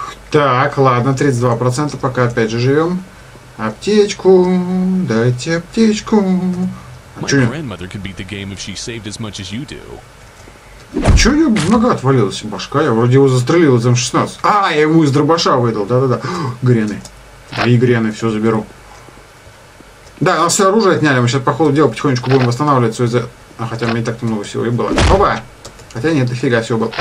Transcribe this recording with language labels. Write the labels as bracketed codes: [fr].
[ru] Так, ладно, 32% пока опять же живем. Аптечку, дайте аптечку. [en] My grandmother could beat the game if she saved as much as you do. [ru] Чё у него нога отвалилась, башка? Я вроде его застрелил из М16. А, я ему из дробаша выдал, да-да-да. Грены. Мои грены, все заберу. Да, у нас все оружие отняли, мы сейчас по ходу дела потихонечку будем восстанавливать все из-за... А хотя у меня не так-то много всего и было. Опа! Хотя нет, дофига всего было.